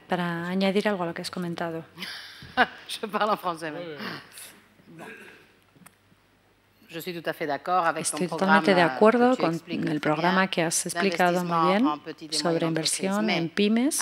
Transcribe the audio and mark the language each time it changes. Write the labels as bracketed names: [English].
[Spanish] Para añadir algo a lo que has comentado. [French] Je parle en français, mais... Je suis tout à fait d'accord avec [Spanish] estoy totalmente de acuerdo con el programa que has explicado muy bien sobre inversión en pymes,